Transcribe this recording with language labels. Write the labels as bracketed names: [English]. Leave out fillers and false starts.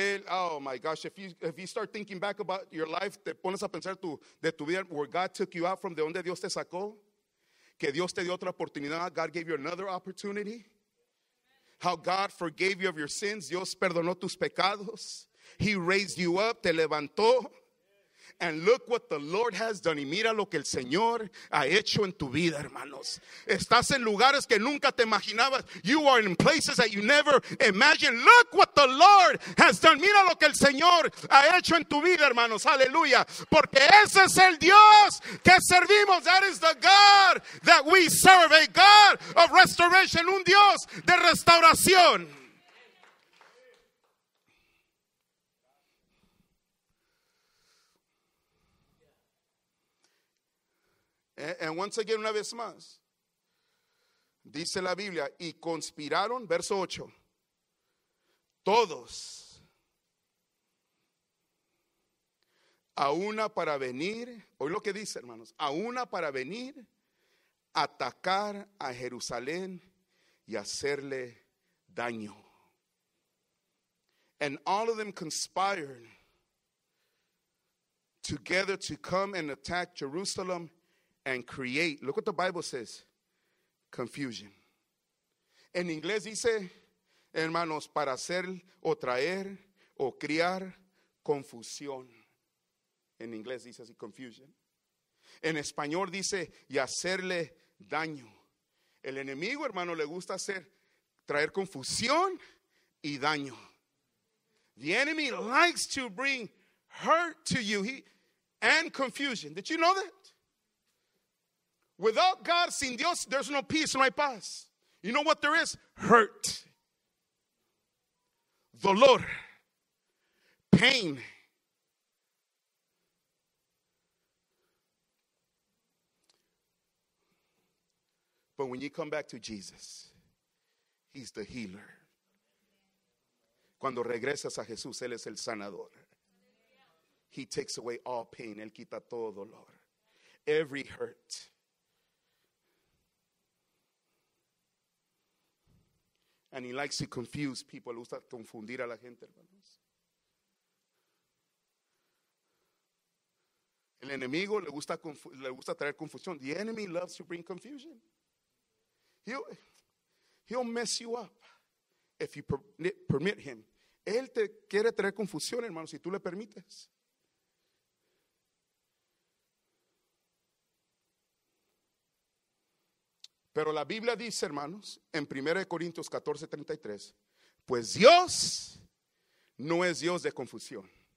[English] Oh my gosh, if you start thinking back about your life, [Spanish] te pones a pensar de tu vida, [English] where God took you out from, [Spanish] de donde Dios te sacó, que Dios te dio otra oportunidad, [English] God gave you another opportunity, how God forgave you of your sins, [Spanish] Dios perdonó tus pecados, [English] he raised you up, [Spanish] te levantó, [English] and look what the Lord has done, [Spanish] y mira lo que el Señor ha hecho en tu vida, hermanos. Estás en lugares que nunca te imaginabas. [English] You are in places that you never imagined. Look what the Lord has done. [Spanish] Mira lo que el Señor ha hecho en tu vida, hermanos. Aleluya. Porque ese es el Dios que servimos. [English] That is the God that we serve. A God of restoration. [Spanish] Un Dios de restauración. [English] And once again, [Spanish] una vez más, dice la Biblia, y conspiraron, verso 8, todos a una para venir, oye lo que dice, hermanos, a una para venir a atacar a Jerusalén y hacerle daño. [English] And all of them conspired together to come and attack Jerusalem and create, look what the Bible says, confusion. [Spanish] En inglés dice, hermanos, para hacer o traer o criar confusión. En inglés dice así, confusion. En español dice, y hacerle daño. El enemigo, hermano, le gusta hacer, traer confusión y daño. [English] The enemy likes to bring hurt to you and confusion. Did you know that? Without God, [Spanish] sin Dios, [English] there's no peace, [Spanish] no hay paz. [English] You know what there is? Hurt. [Spanish] Dolor. Pain. [English] But when you come back to Jesus, he's the healer. [Spanish] Cuando regresas a Jesús, él es el sanador. [English] He takes away all pain. [Spanish] Él quita todo dolor. [English] Every hurt. And he likes to confuse people. [Spanish] Le gusta confundir a la gente, hermanos. El enemigo le gusta traer confusión. [English] The enemy loves to bring confusion. He'll mess you up if you permit him. [Spanish] Él te quiere traer confusión, hermano, si tú le permites. Pero la Biblia dice, hermanos, en 1 Corintios 14, 33, pues Dios no es Dios de confusión.